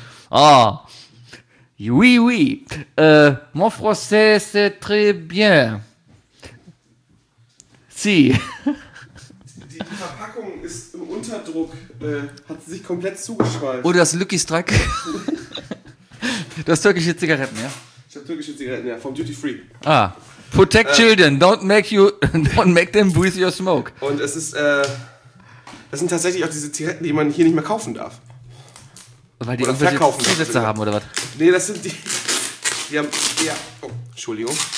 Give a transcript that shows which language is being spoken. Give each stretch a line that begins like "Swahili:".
French: Ah, oui, mon français c'est très bien. Si.
German: Die Verpackung ist im Unterdruck, hat sie sich komplett zugeschweißt. Oder das Lucky Strike. Du hast türkische Zigaretten, ja? Ich habe türkische Zigaretten, ja, vom Duty Free.
English: Ah, protect children, don't make them breathe your smoke.
German: Und es ist, das sind tatsächlich auch diese Zigaretten, die man hier nicht mehr kaufen darf. Weil die irgendwelche Zusätze haben, oder was? Nee, das sind die haben, ja, Entschuldigung.